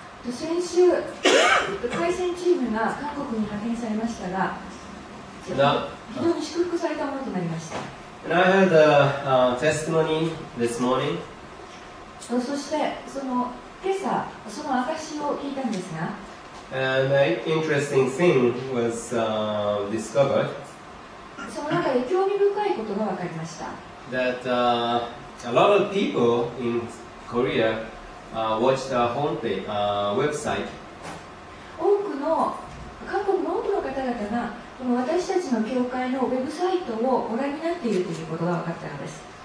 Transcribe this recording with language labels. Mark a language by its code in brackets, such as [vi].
[ja] 先週、海戦チームが韓国に派遣されましたが、非常に祝福されたものとなりました。 [en] And I heard a testimony this morning. [ja] そしてその今朝その証を聞いたんですが、 [en] An interesting thing was discovered. [ja] その中で興味深いことが分かりました。 [en] That a lot of people in Korea watched our homepage, website. [ja] 多くの韓国の多くの方々がこの私たちの教会のウェブサイトをご覧になっているということが分かったのです。